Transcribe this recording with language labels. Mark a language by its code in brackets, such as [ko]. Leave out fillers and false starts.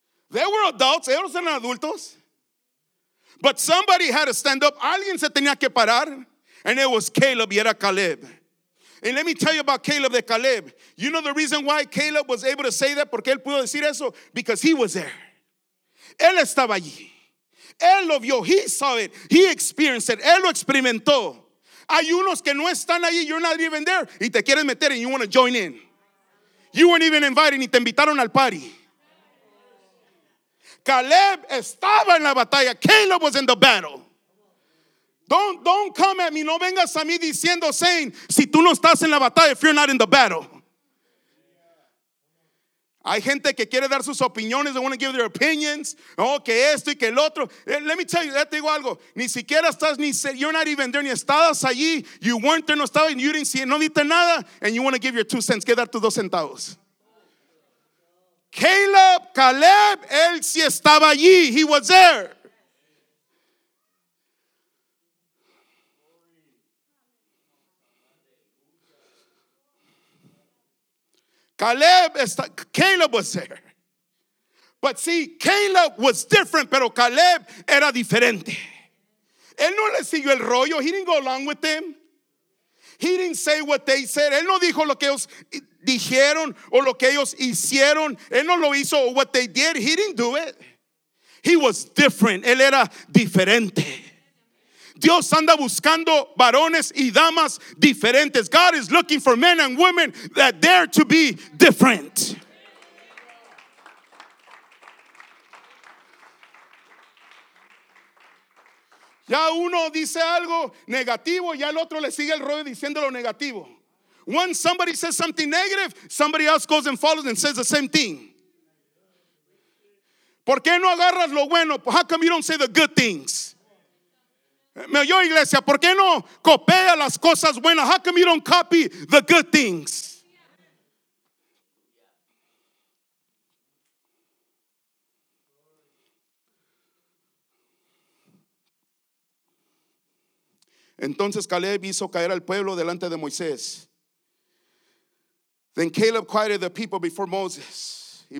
[en] They were adults, [es] ellos eran adultos. [en] But somebody had to stand up, [es] alguien se tenía que parar. [en] And it was Caleb, [es] y era Caleb. [en] And let me tell you about Caleb, the Caleb. You know the reason why Caleb was able to say that, [es] porque él pudo decir eso, [en] because he was there. [es] Él estaba allí. Él lo vio, [en] he saw it, he experienced it, [es] él lo experimentó. Hay unos que no están ahí, [en] you're not even there, [es] y te quieren meter [en] and you want to join in. You weren't even invited, [es] ni te invitaron al party. Caleb estaba en la batalla. [en] Caleb was in the battle. Don't come at me. [es] No vengas a mí diciendo, [en] saying, [es] si tú no estás en la batalla, [en] if you're not in the battle. [es] Hay gente que quiere dar sus opiniones. [en] They want to give their opinions. Oh, [es] que esto y que el otro. [en] Let me tell you, [es] te digo algo. Ni siquiera estás, ni [en] you're not even there, [es] ni estabas allí. [en] You weren't there, [es] no estabas, [en] you didn't see it, [es] no viste nada. [en] And you want to give your 2 cents. [es] Quedar tus 2 centavos. Caleb, él sí estaba allí. [en] He was there. Caleb was there. But see, Caleb was different, [es] pero Caleb era diferente. Él no le siguió el rollo. [en] He didn't go along with them. He didn't say what they said. [es] Él no dijo lo que ellos dijeron o lo que ellos hicieron. Él no lo hizo. [en] What they did, he didn't do it. He was different. [es] Él era diferente. Dios anda buscando varones y damas diferentes. [en] God is looking for men and women that dare to be different. [es] Ya uno dice algo negativo, ya el otro le sigue el rollo diciendo lo negativo. [en] When somebody says something negative, somebody else goes and follows and says the same thing. [es] ¿Por qué no agarras lo bueno? [en] How come you don't say the good things? [es] Me oyó, iglesia, ¿por qué no copia las cosas buenas? [en] How come you don't copy the good things? [es] Entonces Caleb hizo caer al pueblo delante de Moisés. [en] Then Caleb quieted the people before Moses.